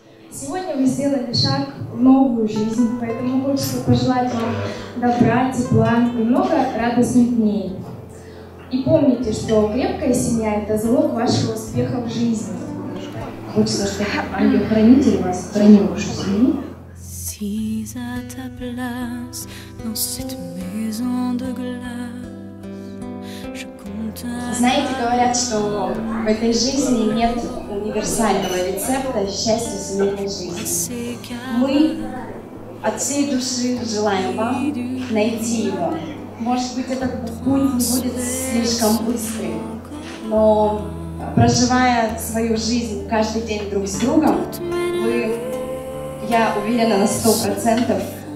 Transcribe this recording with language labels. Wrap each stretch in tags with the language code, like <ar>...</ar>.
<ru>Сегодня вы сделали шаг в новую жизнь, поэтому хочется пожелать вам добра, тепла и много радостных дней. И помните, что крепкая семья – это залог вашего успеха в жизни. Хочется, чтобы ангел-хранитель вас хранил вашу семью.</ru> <fr>Si à ta place, dans cette maison de glace, je compte...</fr> <ru>Знаете, говорят, что в этой жизни нет универсального рецепта счастья семейной жизни. Мы от всей души желаем вам найти его. Может быть, этот путь не будет слишком быстрым, но проживая свою жизнь каждый день друг с другом, вы, я уверена на 100%,</ru>